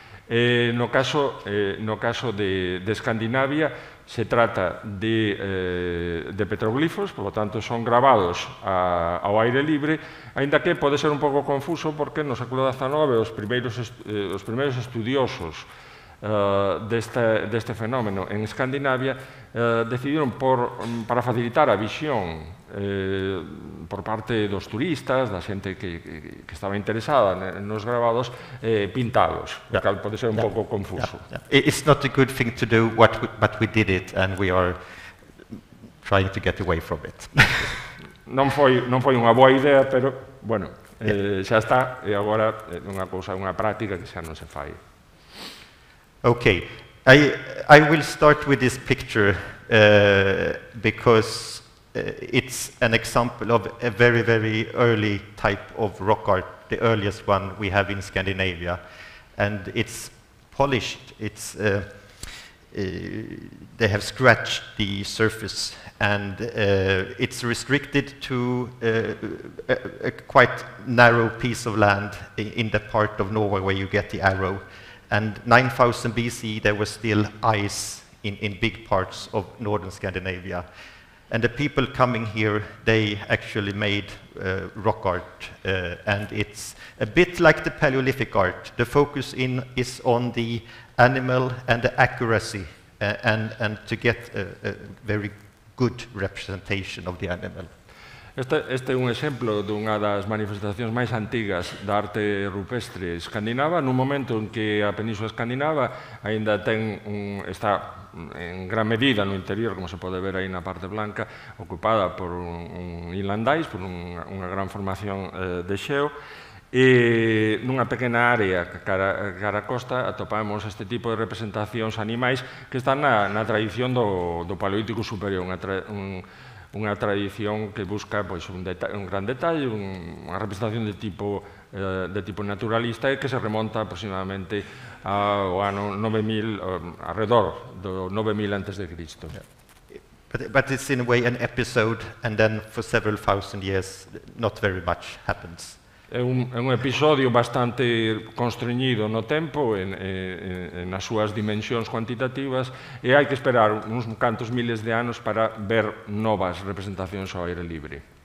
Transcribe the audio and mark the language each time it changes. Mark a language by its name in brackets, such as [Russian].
[Galician] No caso de Escandinavia, se trata de petroglifos, polo tanto, son gravados ao aire libre, ainda que pode ser un pouco confuso porque no século XIX os primeiros estudiosos deste fenómeno en Escandinavia decidiron, para facilitar a visión por parte dos turistas, da xente que estaba interesada nos gravados, pintados, yeah. Que pode ser un pouco confuso. Yeah. [English] It's not a good thing to do, but we did it and we are trying to get away from it. [Galician] non foi unha boa idea, pero, bueno, xa está, e agora é unha cousa, unha práctica que xa non se fai. [English] Okay, I will start with this picture because it's an example of a very, very early type of rock art, the earliest one we have in Scandinavia. And it's polished, they have scratched the surface, and it's restricted to a quite narrow piece of land in the part of Norway where you get the arrow. And 9000 BC, there was still ice in big parts of northern Scandinavia. And the people coming here, they actually made rock art. And it's a bit like the Paleolithic art. The focus is on the animal and the accuracy, and to get a very good representation of the animal. [Galician] Este é un exemplo dunha das manifestacións máis antigas da arte rupestre escandinava, nun momento en que a península escandinava ainda está en gran medida no interior, como se pode ver aí na parte blanca, ocupada por un [English] inland ice, [Galician] por unha gran formación de xeo, e nunha pequena área cara a costa atopamos este tipo de representacións animais que están na tradición do Paleolítico Superior, unha tradición que busca un gran detalle, unha representación de tipo naturalista e que se remonta aproximadamente ao ano 9000, alrededor do 9000 a.C. [English] But it's in a way an episode and then for several thousand years not very much happens. [Galician] É un episodio bastante constreñido no tempo, nas súas dimensións cuantitativas, e hai que esperar uns cantos miles de anos para ver novas representacións ao aire libre.